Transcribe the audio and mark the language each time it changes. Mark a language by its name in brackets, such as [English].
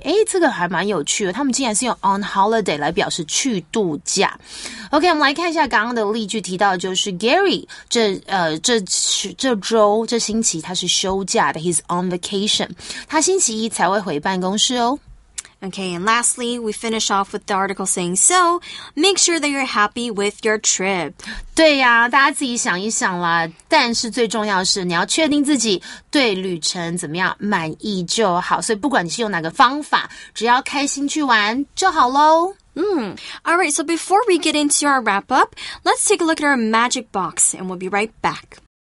[Chinese] 诶这个还蛮有趣的。他们竟然是用 on holiday 来表示去度假。 OK, 我们来看一下刚刚的例句提到的就是 Gary, 这星期他是休假的 , [English] he's on vacation. [Chinese] 他星期一才会回办公室哦。 [English] Okay, and lastly, we finish off with the article saying, so, make sure that you're happy with your trip. [Chinese] 对呀、啊、大家自己想一想啦。但是最重要的是你要确定自己对旅程怎么样满意就好。所以不管你是用哪个方法只要开心去玩就好咯。 [English] Alright, so before we get into our wrap up, let's take a look at our magic box and we'll be right back.